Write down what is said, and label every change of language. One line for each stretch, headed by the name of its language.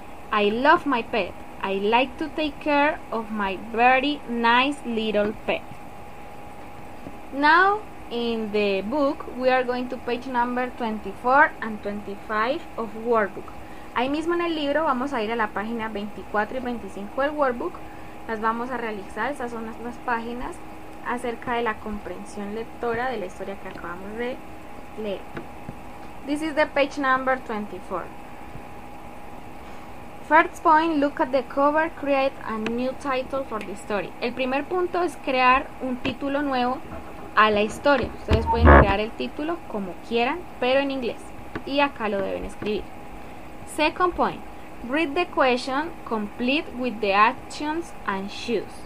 English: I love my pet. I like to take care of my very nice little pet. Now, in the book, we are going to page number 24 and 25 of workbook.
Spanish: Ahí mismo en el libro vamos a ir a la página 24 y 25 del workbook. Las vamos a realizar, esas son las páginas acerca de la comprensión lectora de la historia que acabamos de leer.
English: This is the page number 24. First point, look at the cover, create a new title for the story.
Spanish: El primer punto es crear un título nuevo a la historia. Ustedes pueden crear el título como quieran, pero en inglés. Y acá lo deben escribir.
English: Second point, read the question complete with the actions and choose.